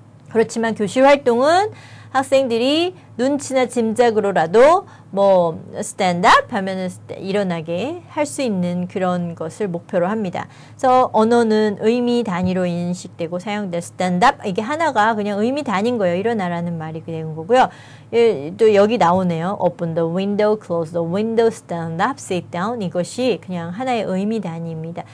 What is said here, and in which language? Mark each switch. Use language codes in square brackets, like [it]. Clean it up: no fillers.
[ko] 그렇지만 교실 활동은 학생들이 눈치나 짐작으로라도 뭐 [en] stand up [ko] 하면은 일어나게 할 수 있는 그런 것을 목표로 합니다. 그래서 언어는 의미 단위로 인식되고 사용될 [en] stand up [ko] 이게 하나가 그냥 의미 단위인 거예요. 일어나라는 말이 되는 거고요. 예, 또 여기 나오네요. [en] Open the window, close the window, stand up, sit down. [ko] 이것이 그냥 하나의 의미 단위입니다.